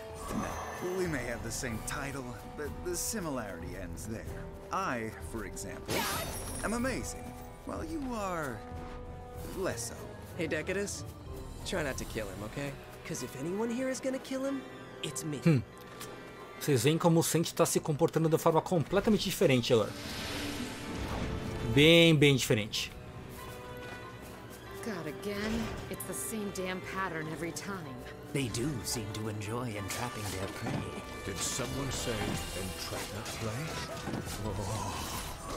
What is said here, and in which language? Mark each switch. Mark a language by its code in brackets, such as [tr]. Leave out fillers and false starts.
[en] No, we may have the same title, but the similarity ends there. I, for example, am amazing. Well, you are... less so. Hey, Decadus. Try not to kill him, okay? Because if anyone here is gonna kill him, it's me. [pt] Vocês veem como o Sente está se comportando de forma completamente diferente agora. Bem, bem diferente. [en] God, again, it's the same damn pattern every time. They do seem to enjoy entrapping their prey. Did someone say entrap their prey? Oh.